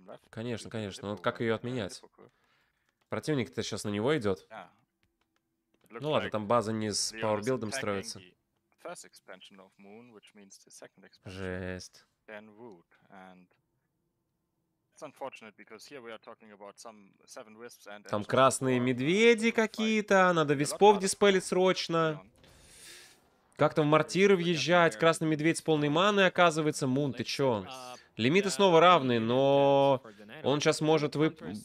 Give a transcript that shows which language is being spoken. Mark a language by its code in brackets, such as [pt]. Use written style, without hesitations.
[ru] Конечно. Но вот как ее отменять? Противник-то сейчас на него идет. Ну ладно, там база не с пауэрбилдом строится. [en] First expansion of Moon, which means the second expansion. [ru] Жесть. [en] Then Root, and it's unfortunate because here we are talking about some seven wisps and. [ru] Там красные медведи какие-то, надо виспов диспелить срочно. Как там в мортиры въезжать? Красный медведь с полной маны оказывается. Мун, ты чё? Лимиты снова равны, но он сейчас может вып.